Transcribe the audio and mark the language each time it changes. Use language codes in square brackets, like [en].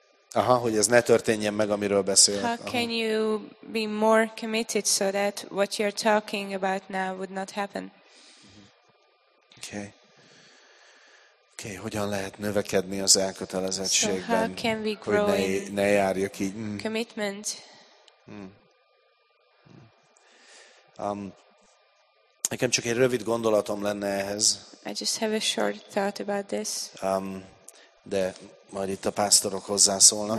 [hu] Aha, hogy ez ne történjen meg, amiről beszél. [en] How can you be more committed so that what you're talking about now would not happen? Okay. [hu] Okay, hogyan lehet növekedni az elkötelezettségben? [en] So how can we grow [hu] hogy ne járjak így. [en] Commitment. [hu] Nekem csak egy rövid gondolatom lenne ehhez. [en] I just have a short thought about this. [hu] De majd itt a pásztorok hozzászólnak.